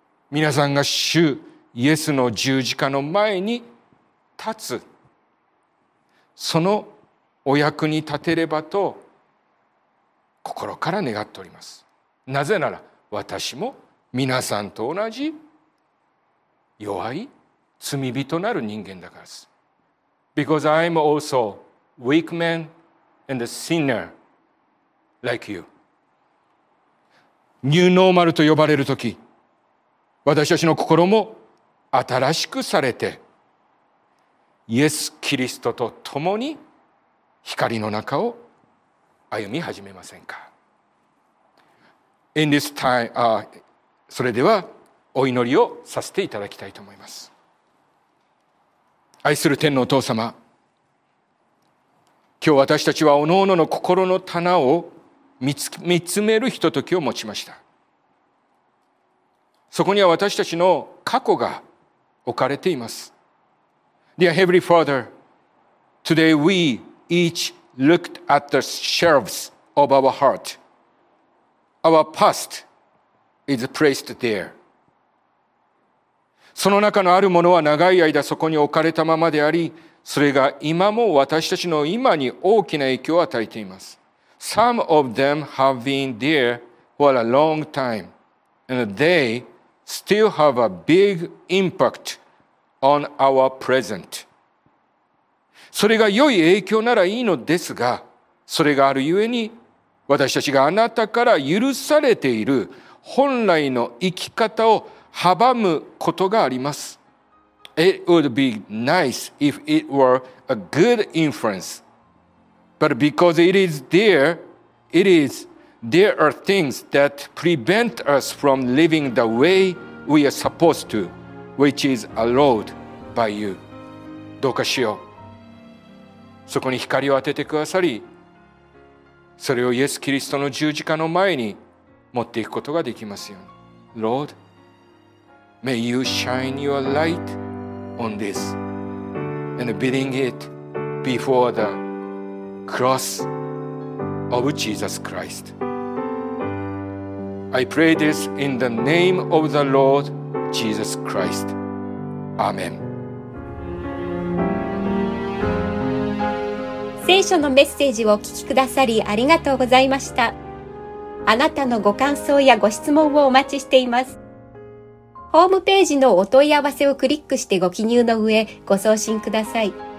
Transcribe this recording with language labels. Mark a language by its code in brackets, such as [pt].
[ja] 皆さんが主イエスの十字架の前に立つ、そのお役に立てればと心から願っております。なぜなら私も皆さんと同じ弱い罪人なる人間だからです。 [en] Because I'm also weak man and a sinner like you. [ja] ニューノーマルと呼ばれるとき、私たちの心も新しくされて、イエス・キリストと共に光の中を歩み始めませんか。 [en] In this time, [ja] それではお祈りをさせていただきたいと思います。愛する天のお父様、今日私たちは各々の心の棚を見つめるひとときを持ちました。そこには私たちの過去が置かれています。 [en] Dear Heavenly Father, today we each looked at the shelves of our heart. Our past is placed there. [ja] その中のあるものは長い間そこに置かれたままであり、それが今も私たちの今に大きな影響を与えています。 [en] Some of them have been there for a long time, and they still have a big impact on our present. [ja] それが良い影響ならいいのですが、それがあるゆえに、私たちがあなたから許されている本来の生き方を阻むことがあります。 [en] It would be nice if it were a good influence. But because it is there, there are things that prevent us from living the way we are supposed to, which is allowed by you. [ja] どうかしよう。そこに光を当ててくださり、それをイエス・キリストの十字架の前に持っていくことができますように。 [en] Lord, may you shine your light on this and bring it before the cross of Jesus Christ. I pray this in the name of the Lord Jesus Christ. Amen. [ja] 聖書のメッセージをお聞きくださりありがとうございました。あなたのご感想やご質問をお待ちしています。ホームページのお問い合わせをクリックしてご記入の上、ご送信ください。